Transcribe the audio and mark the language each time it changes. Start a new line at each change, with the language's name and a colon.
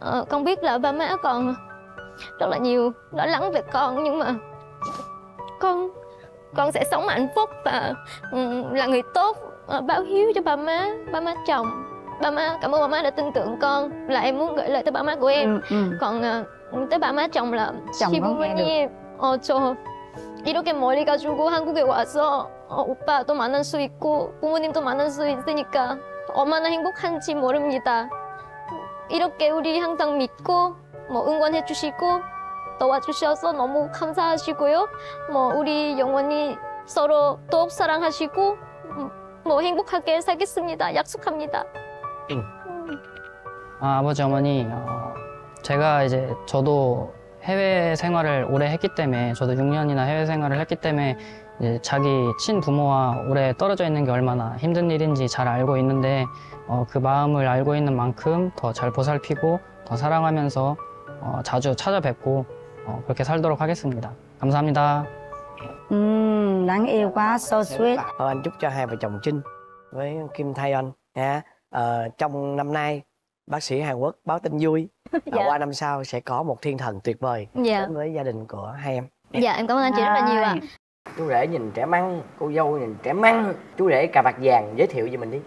Vietnamese: Con biết là ba má còn... rất là nhiều lo lắng về con, nhưng mà con sẽ sống hạnh phúc và là người tốt, báo hiếu cho ba má chồng. Ba má, cảm ơn ba má đã tin tưởng con, là em muốn gửi lời tới ba má của em. Còn tới ba má chồng là chồng không nghe nhỉ? Được.
Korean: 저 이렇게 머리가 주고 한국에 와서 오빠도 만날 수 있고 부모님도 만날 수 있으니까 얼마나 행복한지 모릅니다. 이렇게 우리 항상 믿고 뭐 응원해 주시고 도와주셔서 너무 감사하시고요. 뭐 우리 영원히 서로 더욱 사랑하시고 뭐 행복하게 살겠습니다. 약속합니다. 아, 아버지 어머니, 제가 이제 저도 해외 생활을 오래 했기 때문에 저도 6년이나 해외 생활을 했기 때문에 이제 자기 친부모와 오래 떨어져 있는 게 얼마나 힘든 일인지 잘 알고 있는데 그 마음을 알고 있는 만큼 더 잘 보살피고 더 사랑하면서 자주 찾아뵙고 그렇게 살도록 하겠습니다. 감사합니다.
Vietnamese: đáng yêu quá,
English: so sweet.
Vietnamese: Anh chúc cho hai vợ chồng Trinh với Kim Thay anh nha. Trong năm nay bác sĩ Hàn Quốc báo tin vui. Dạ. Qua năm sau sẽ có một thiên thần tuyệt vời. Dạ. Đến với gia đình của hai em. Dạ, em cảm ơn anh chị rất là nhiều ạ. Chú rể nhìn trẻ măng, cô dâu nhìn trẻ măng. Chú rể cà vạt vàng giới thiệu về mình đi.